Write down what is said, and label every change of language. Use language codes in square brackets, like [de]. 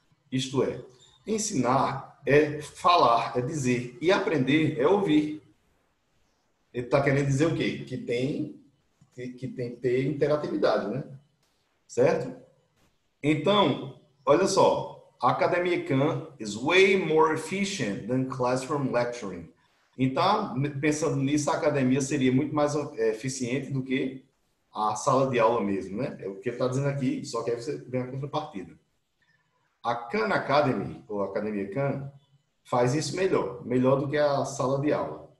[pt] Isto é. Ensinar é falar, é dizer. E aprender é ouvir. Ele está querendo dizer o quê? Que tem ter interatividade, né? Certo? Então, olha só. [en] A Academia Khan is way more efficient than classroom lecturing. [pt] Então, pensando nisso, a academia seria muito mais eficiente do que a sala de aula mesmo, né? É o que ele está dizendo aqui, só que aí você vem a contrapartida. A Khan Academy, ou Academia Khan, faz isso melhor, melhor do que a sala de aula.